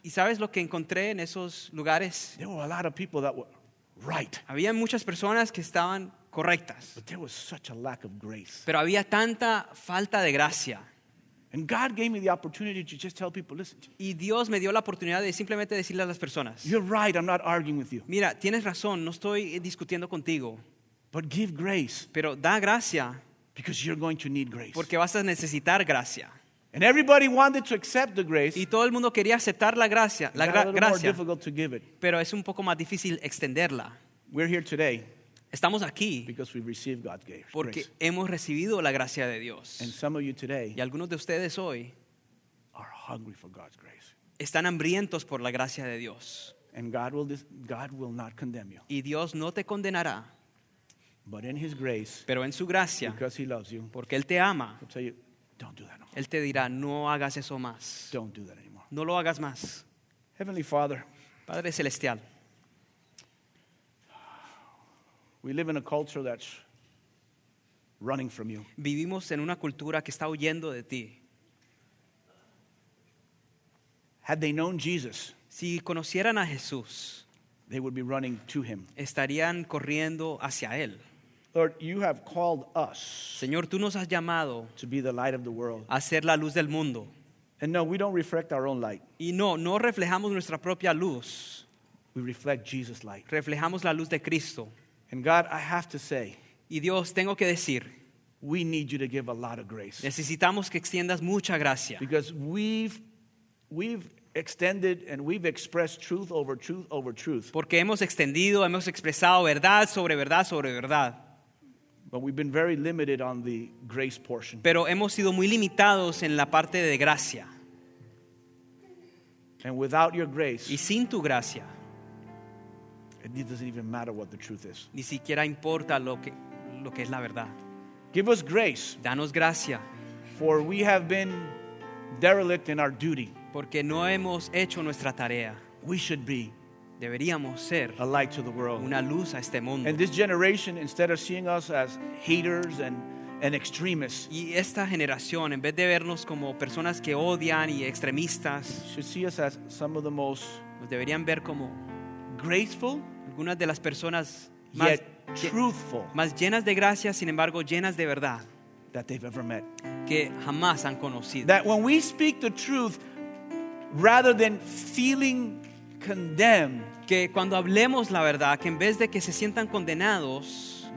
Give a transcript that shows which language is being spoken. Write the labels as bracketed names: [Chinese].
[Spanish] ¿Y sabes lo que encontré en esos lugares? [English] There were a lot of people that were right. [Spanish] Había muchas personas que estaban correctas. [English] But there was such a lack of grace. [Spanish] Pero había tanta falta de gracia. [English] And God gave me the opportunity to just tell people, listen. [Spanish] Y Dios me dio la oportunidad de simplemente decirle a las personas. [English] You're right, I'm not arguing with you. [Spanish] Mira, tienes razón, no estoy discutiendo contigo. [English] But give grace. [Spanish] Pero da gracia. [English] Because you're going to need grace. [Spanish] Porque vas a necesitar gracia. [English] And everybody wanted to accept the grace. [Spanish] Y todo el mundo quería aceptar la gracia. [English] It's a little more difficult to give it. [Spanish] Pero es un poco más difícil extenderla. [English] We're here today. [Spanish] Estamos aquí. [English] Because we received God's grace. [Spanish] Porque hemos recibido la gracia de Dios. [English] And some of you today. [Spanish] Y algunos de ustedes hoy. [English] Are hungry for God's grace. [Spanish] Están hambrientos por la gracia de Dios. [English] And God will not condemn you. [Spanish] Y Dios no te condenará. [English] But in his grace, [Spanish] pero en su gracia, [English] because he loves you, [Spanish] porque él te ama, [English] he'll tell you, don't do that anymore. [Spanish] Él te dirá, no hagas eso más. [English] Don't do that anymore. [Spanish] No lo hagas más. [English] Heavenly Father, [Spanish] Padre Celestial, [English] we live in a culture that's running from you. [Spanish] Vivimos en una cultura que está huyendo de ti. [English] Had they known Jesus, [Spanish] si conocieran a Jesús, [English] they would be running to him. [Spanish] Estarían corriendo hacia él. [English] Lord, you have called us. [Spanish] Señor, tú nos has llamado [English] to be the light of the world. [Spanish] A ser la luz del mundo. [English] And no, we don't reflect our own light. [Spanish] Y no reflejamos nuestra propia luz. [English] We reflect Jesus' light. [Spanish] Reflejamos la luz de Cristo. [English] And God, I have to say. [Spanish] Y Dios, tengo que decir. [English] We need you to give a lot of grace. [Spanish] Necesitamos que extiendas mucha gracia. [English] Because we've extended and we've expressed truth over truth over truth. [Spanish] Porque hemos extendido, hemos expresado verdad sobre verdad sobre verdad. [English] But we've been very limited on the grace portion. [Spanish] Pero hemos sido muy limitados en la parte de gracia. [English] And without your grace. [Spanish] Y sin tu gracia. [English] It doesn't even matter what the truth is. [Spanish] Ni siquiera importa lo que es la verdad. [English] Give us grace. [Spanish] Danos gracia. [English] For we have been derelict in our duty. [Spanish] Porque no hemos hecho nuestra tarea. [English] We should be. [Spanish] Deberíamos ser [English] a light to the world. [Spanish] Una luz a este mundo. [English] And this generation, instead of seeing us as haters and extremists, [Spanish] y esta generación, en vez de vernos como personas que odian y extremistas, [English] should see us as some of the most, [Spanish] nos deberían ver como [English] graceful, [Spanish] algunas de las personas más llenas de gracia, sin embargo llenas de verdad, [English] that they've ever met, [Spanish] que jamás han conocido. [English] That when we speak the truth, rather than feeling condemned, [Spanish] que cuando hablemos la verdad, que en vez de que se sientan condenados,